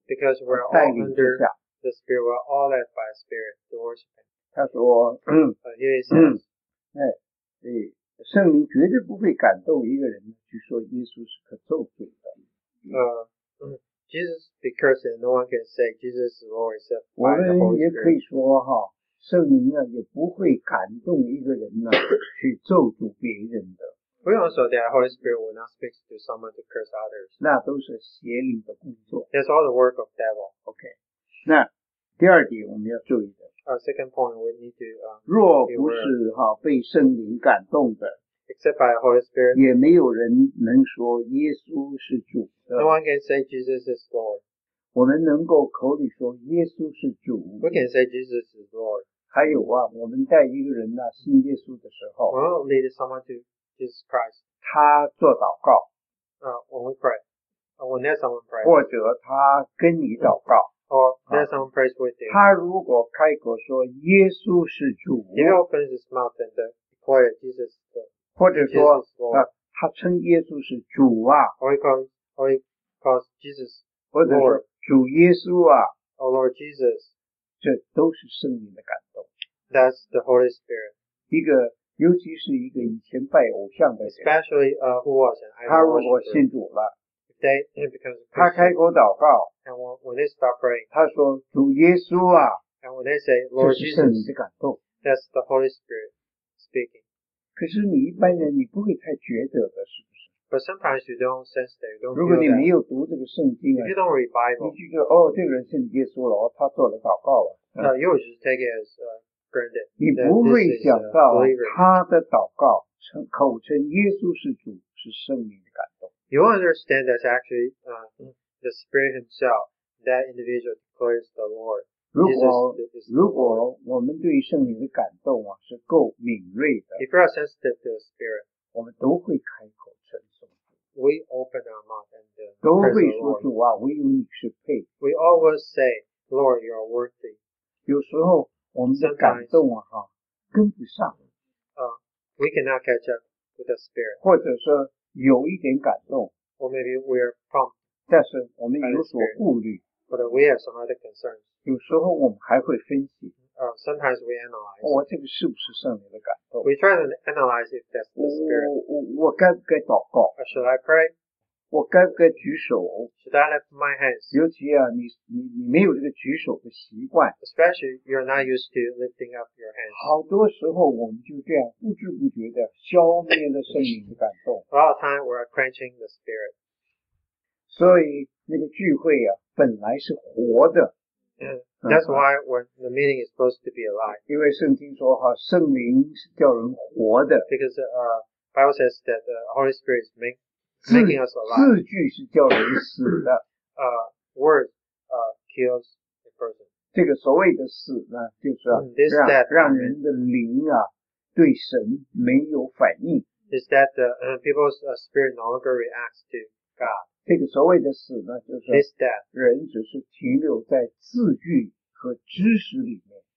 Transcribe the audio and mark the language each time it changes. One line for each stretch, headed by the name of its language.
English: Because we're all under the Spirit, we're all led by the Spirit to worship Him.
Chinese: 他说,
English: Jesus be cursed and no one can say Jesus is Lord except by the Holy Spirit.
Chinese: 圣灵也不会感动一个人去咒诅别人的。
English: We also that Holy Spirit will not speak to someone to curse others.
Chinese: 那都是邪灵的工作。
English: That's all the work of devil. Okay.
Chinese: 那第二点我们要注意的。
English: Second point we need to
Chinese: 若不是被圣灵感动的,
English: except by Holy Spirit,
Chinese: 也没有人能说耶稣是主的。
English: No one can say Jesus is Lord.
Chinese: 我们能够口里说耶稣是主。
English: We can say Jesus is Lord.
Chinese: 还有啊, 我们带一个人啊, 信耶稣的时候,
English: we'll lead someone to Jesus Christ.
Chinese: 他做祷告,
English: when we pray. When there's someone prays.
Chinese: 或者他跟你祷告,
English: or there's someone prays with you.
Chinese: 他如果开口说耶稣是主,
English: he opens his mouth and declares Jesus is Lord.
Chinese: 或者说, 他称耶稣是主啊,
English: or he calls Jesus Lord.
Chinese: 或者说主耶稣啊,
English: or Lord Jesus.
Chinese: 这都是圣灵的感动。
English: That's the Holy Spirit.
Chinese: 一个, 尤其是一个以前拜偶像的人,
English: especially who was an idol worshiper.
Chinese: 他如果信主了,
English: they, it becomes a
Chinese: Christian, 他开口祷告,
English: and when they start praying,
Chinese: 他说, 主耶稣啊,
English: and when they say, Lord Jesus, that's the Holy Spirit speaking.
Chinese: 可是你一般人, 你不会太觉得的,
English: but sometimes you don't sense that, you don't
Chinese: 如果你没有读这个圣经,
English: if you don't read Bible,
Chinese: 你就觉得, 哦, 这个人信耶稣了, 他做了祷告了,
English: you would just take it as granted,
Chinese: 你不会想到他的祷告口称耶稣是主是圣灵的感动。
English: You understand that actually the Spirit himself, that individual declares the Lord.
Chinese: 如果我们对圣灵的感动是够敏锐的,
English: if you are sensitive to the Spirit,
Chinese: 我们都会开口称颂。
English: We open our mouth and praise the Lord.
Chinese: 都会说主啊，唯有你是配。
English: We always say, Lord, you are worthy.
Chinese: 有时候我们的感动啊，哈，跟不上。
English: We cannot catch up with the Spirit.
Chinese: 或者说有一点感动。
English: Or maybe we are prompt.
Chinese: 但是我们有所顾虑。
English: But we have some other concerns.
Chinese: 有时候我们还会分析。
English: Sometimes we analyze.
Chinese: 我这个是不是圣灵的感动？
English: We try to analyze if that's the Spirit.
Chinese: 我该不该祷告？
English: Or should I pray?
Chinese: 我该不该举手？
English: Should I lift my hands?
Chinese: 尤其啊，你没有这个举手的习惯。
English: Especially you're not used to lifting up your hands.
Chinese: 好多时候我们就这样不知不觉的消灭了圣灵的感动。
English: A lot of time we're quenching the Spirit.
Chinese: 所以那个聚会啊，本来是活的。
English: That's why when the meeting is supposed to be alive.
Chinese: 因为圣经说哈，圣灵是叫人活的。
English: Because the Bible says that the Holy Spirit is making us alive.
Chinese: 字句是叫人死的。
English: Word kills a person.
Chinese: 这个所谓的死呢，就是、让人的灵啊对神没有反应。
English: Is that the people's spirit no longer reacts to God?
Chinese: 这个所谓的死呢，就是人只是停留在字句和知识里面。